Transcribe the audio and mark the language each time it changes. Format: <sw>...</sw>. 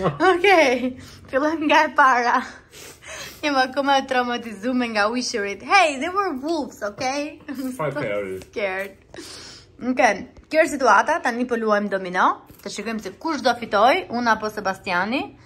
<sq>Okay, fillojmë nga e para. Jam akoma traumatizuar nga ujqërit.</sq> <en>Hey, there were wolves, okay? Scared.</en> <sq>Okay, kjo është situata, tani po luajmë domino. Të shikojmë se kush do fitoj, unë apo Sebastiani.</sq>